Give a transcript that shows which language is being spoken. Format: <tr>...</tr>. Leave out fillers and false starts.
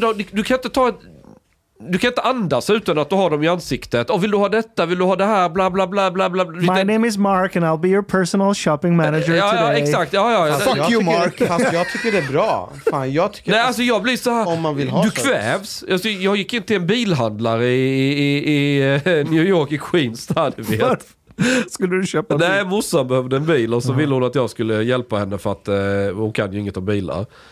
<sv>Du kan inte andas utan att du har dem i ansiktet. Och vill du ha detta? Vill du ha det här? Bla, bla, bla, bla, bla.</sv> <en>My name is Mark and I'll be your personal shopping manager today.</en> <sv>Ja, exakt. Ja.</sv> <en>Fuck you, Mark.</en> <sv>Fast jag tycker det är bra. Fan, jag tycker nej, alltså jag blir så här... Om man vill ha du kvävs. Alltså, jag gick in till en bilhandlare i New York, i Queens. Där, du vet. Skulle du köpa en bil? Nej, morsan behövde en bil och så ville hon att jag skulle hjälpa henne för att hon kan ju inget om bilar.</sv>